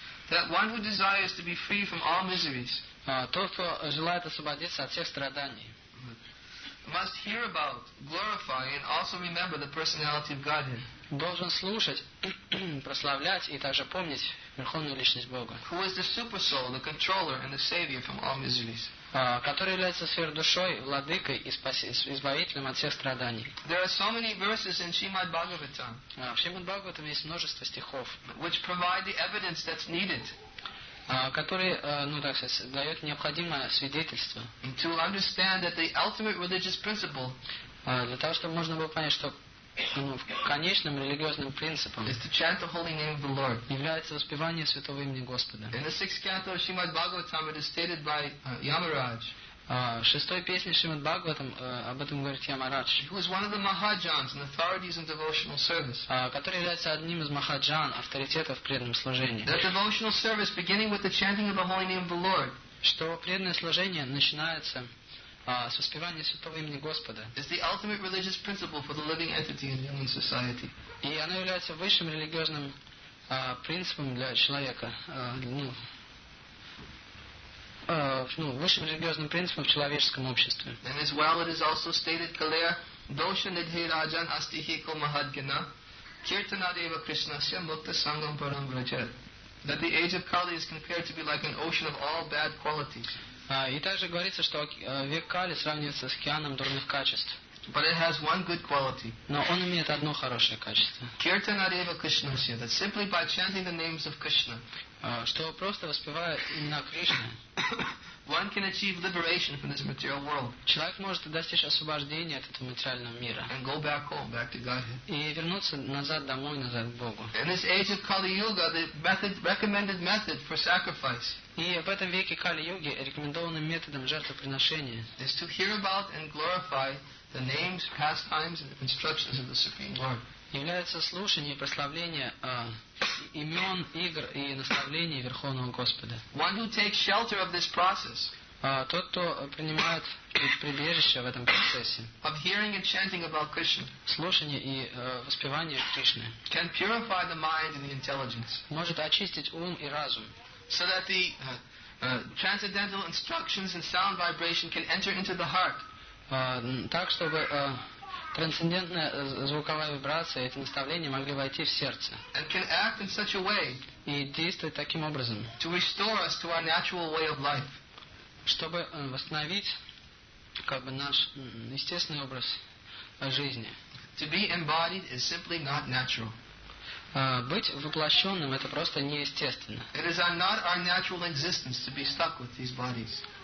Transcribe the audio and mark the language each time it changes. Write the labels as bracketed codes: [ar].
[en] That one who desires to be free from all miseries. [ru] Тот, кто желает освободиться от всех страданий. [en] Must hear about, glorify, and also remember the personality of Godhead. [ru] Должен слушать, прославлять и также помнить верховную личность Бога. [en] Who is the super soul, the controller, and the savior from all miseries? [ru] Который является сверхдушой, владыкой и избавителем от всех страданий. [en] There are so many verses in Shrimad Bhagavatam. [ru] В Шримад Бхагаватам есть множество стихов, [en] which provide the evidence that's needed. [ru] Который, дает необходимое свидетельство. [en] To understand that the ultimate religious principle. [ru] Для того, чтобы можно было понять, что конечным религиозным принципом [en] is to chant the holy name of the Lord. [ru] Является воспевание святого имени Господа. [en] In the sixth canto of Shrimad Bhagavatam, it is stated by Yamaraj. [ru] Шестой песне Шримад Бхагаватам об этом говорит Ямарадж. [en] Who is one of the Mahajans, an authorities in devotional service. [ru] Который является одним из Mahajan, авторитетов в преданном служении. [en] That devotional service, beginning with the chanting of the holy name of the Lord. [ru] Что преданное служение начинается с воспевания святого имени Господа. [en] Is the ultimate religious principle for the living entity in human society. [ru] И оно является высшим религиозным принципом для человека, высшим религиозным принципом в человеческом обществе. [en] And as well it is also stated clear, [sa] dosha nidhi rajan asti hi ko mahadgina, kirtana deva krishna sya mukta sangam param vrajat. [en] That the age of Kali is compared to be like an ocean of all bad qualities. [ru] И также говорится, что век Кали сравнивается с океаном дурных качеств. [en] But it has one good quality. [ru] Но он имеет одно хорошее качество. [sa] Kirtanadeva Krishnasya, [en] that simply by chanting the names of Krishna, [ru] что просто воспевая имена Кришны, [en] one can achieve liberation from this material world. [ru] Человек может достичь освобождения от этого материального мира. [en] And go back home, back to Godhead. [ru] И вернуться назад домой, назад к Богу. [en] In this age of Kali Yuga, the method, recommended method for sacrifice. [ru] И в этом веке Кали-Юги рекомендованным методом жертвоприношения [en] is to hear about and glorify the names, pastimes, and instructions of the Supreme Lord. [ru] Является слушание и прославление имен, игр и наставлений Верховного Господа. [en] One who takes shelter of this process, [ru] тот, кто принимает прибежище в этом процессе, [en] of hearing and chanting about Krishna, [ru] слушание и воспевание Кришны, [en] can purify the mind and the intelligence, [ru] может очистить ум и разум, [en] so that the transcendental instructions and sound vibration can enter into the heart. [ru] Так, чтобы трансцендентная звуковая вибрация и эти наставления могли войти в сердце. [en] And can act in such a way, [ru] и действовать таким образом, [en] to restore us to our natural way of life, [ru] чтобы восстановить как бы наш естественный образ жизни. [en] To be embodied is simply not natural. [ru] Быть воплощенным — это просто неестественно. [en] It is not our natural existence to be stuck with these bodies.